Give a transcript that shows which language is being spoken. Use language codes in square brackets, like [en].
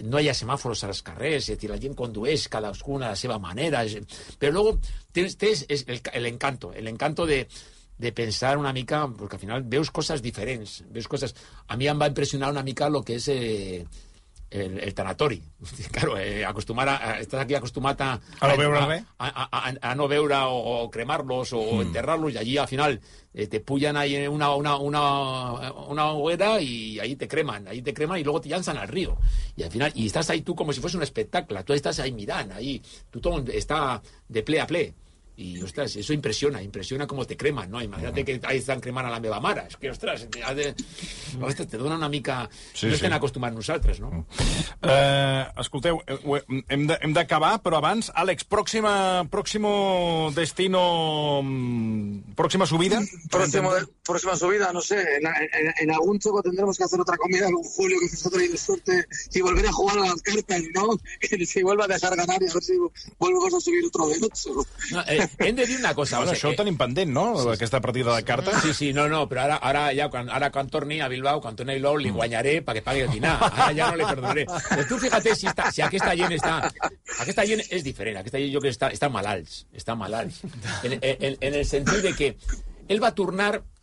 [ca] no hi ha semàfors als carrers, és a dir, la gent condueix cadascuna a la seva manera, però luego tens l'encanto de pensar una mica, perquè al final veus coses diferents, veus coses... A mi em va impressionar una mica lo que és el tanatori. Claro, estàs aquí acostumat a no veure a no veure o cremar-los o enterrar-los, i allí al final te pullen ahí una hoguera i ahí te cremen i luego te llancen al río. I al final, i estàs ahí tu com si fos un espectacle, tu estàs ahí mirant, ahí tothom està de ple a ple. [es] Y ostras, eso impresiona como te creman, ¿no? Imagínate que ahí están cremando [ca] a la meva mare. Es que, ostras, te dona una mica... Sí, no estem acostumats nosaltres, no? Escolteu, hem d'acabar, però abans, Àlex, [es] próximo destino, próxima subida? Próxima subida, no sé. En algún choco tendremos que hacer otra comida con Julio, que es otra suerte, y volver a jugar a las cartas, ¿no? Si vuelva a dejar ganar, y a ver si vuelvo a subir otro de 8. [ca] Hem de dir una cosa. Ara, això ho tenim pendent, no?, sí, aquesta partida de cartes. Sí, sí, no, però ara quan torni a Bilbao, quan torni a Bilbao, li guanyaré perquè pagui el dinar. Ara ja no li perdonaré. Però tu fíjate si aquesta gent està... Aquesta gent és diferent. Aquesta gent, jo crec, està malalts. Està malalts. En el sentit de que ell va tornar